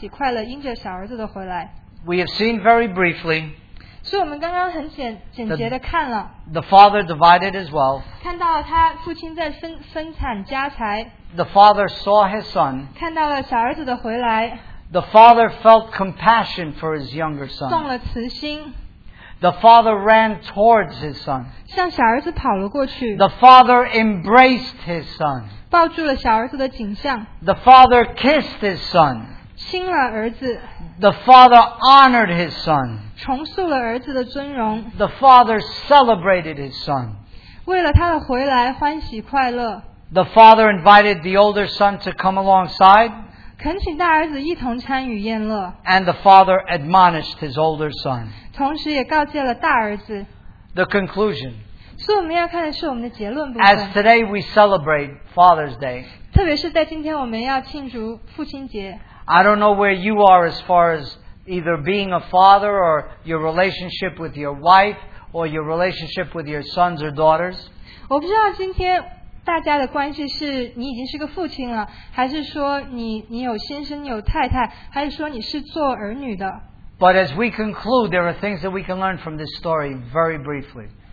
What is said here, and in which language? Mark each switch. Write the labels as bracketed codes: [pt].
[zh] 接下来父亲也就接着去欢喜快乐迎着小儿子的回来。 [en] We have seen very briefly. [zh] 所以我们刚刚很简洁的看了。 [en] The father divided his wealth. [zh] 看到他父亲在分产家财。 [en] The father saw his son. [zh] 看到了小儿子的回来。 [en] The father felt compassion for his younger son. [zh] 动了慈心。 [en] The father ran towards his son. [zh] 向小儿子跑了过去。 [en] The father embraced his son. [zh] 抱住了小儿子的景象。 [en] The father kissed his son. [zh] 亲了儿子。 [en] The father honored his son. [zh] 重塑了儿子的尊荣。 [en] The father celebrated his son. [zh] 为了他的回来欢喜快乐。 [en] The father invited the older son to come alongside. [zh] 恳请大儿子一同参与宴乐。 [en] And the father admonished his older son. [zh] 同时也告诫了大儿子。 [en] The conclusion. [zh] 所以我们要看的是我们的结论部分。 [en] As today we celebrate Father's Day. [zh] 特别是在今天我们要庆祝父亲节。 [en] I don't know where you are as far as either being a father or your relationship with your wife or your relationship with your sons or daughters. [zh] 我不知道今天 大家的关系是你已经是个父亲了,还是说你有先生,你有太太,还是说你是做儿女的? [en] But as we conclude, there are things that we can learn from this story very briefly.